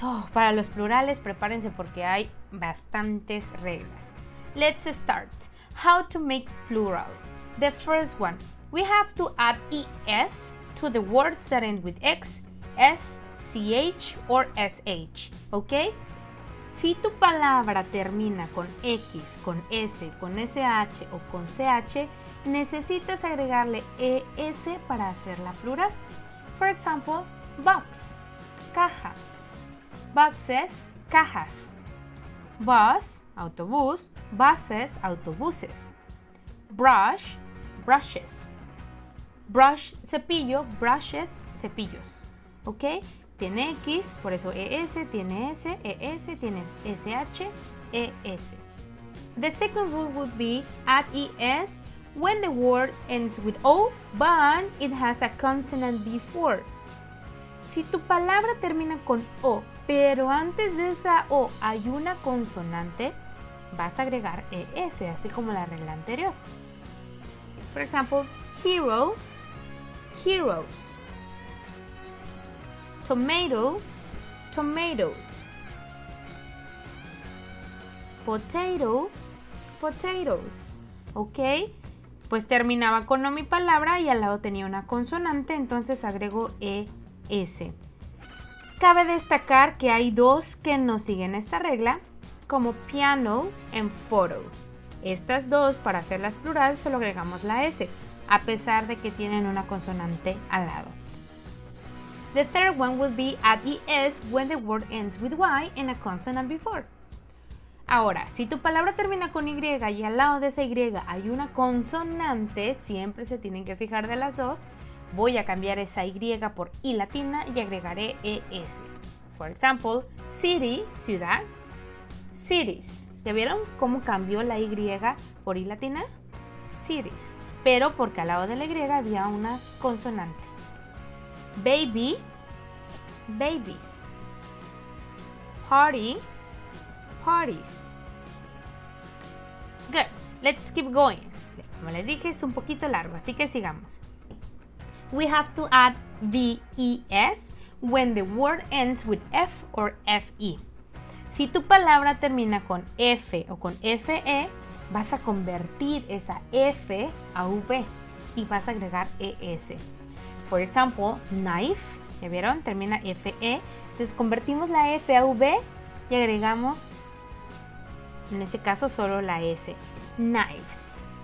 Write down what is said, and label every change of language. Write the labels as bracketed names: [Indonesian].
[Spanish] Oh, para los plurales, prepárense porque hay bastantes reglas. [English] Let's start. How to make plurals. The first one. We have to add es to the words that end with x, s, ch, or sh. Okay? [Spanish] Si tu palabra termina con x, con s, con sh o con ch, necesitas agregarle es para hacerla plural. [English] For example, box, caja, boxes, cajas, bus, autobús, buses, autobuses, brush, brushes, brush, cepillo, brushes, cepillos, ¿ok? [Spanish] Tiene X, por eso ES, tiene S, ES, tiene SH, ES. [English] The second rule would be add ES when the word ends with O, but it has a consonant before. [Spanish] Si tu palabra termina con O, pero antes de esa O hay una consonante, vas a agregar ES, así como la regla anterior. [English] For example, hero, heroes. Tomato, tomatoes. Potato, potatoes. ¿Ok? [Spanish] Pues terminaba con O mi palabra y al lado tenía una consonante, entonces agrego ES. Cabe destacar que hay dos que no siguen esta regla, como piano and photo. Estas dos, para hacerlas plurales, solo agregamos la S, a pesar de que tienen una consonante al lado. [English] The third one would be add ES when the word ends with Y and a consonant before. [Spanish] Ahora, si tu palabra termina con Y y al lado de esa Y hay una consonante, siempre se tienen que fijar de las dos, voy a cambiar esa Y por I latina y agregaré ES. [English] For example, city, ciudad, cities. [Spanish] ¿Ya vieron cómo cambió la Y por I latina? Cities. Pero porque al lado de la Y había una consonante. [English] Baby, babies. Party, parties. Good. Let's keep going. [Spanish] Como les dije, es un poquito largo, así que sigamos. [English] We have to add VES when the word ends with F or FE. [Spanish] Si tu palabra termina con F o con FE, vas a convertir esa F a V y vas a agregar ES. [English] For example, knife, [Spanish] ¿ya vieron? Termina FE. Entonces convertimos la F a V y agregamos, en este caso, solo la S. Knives.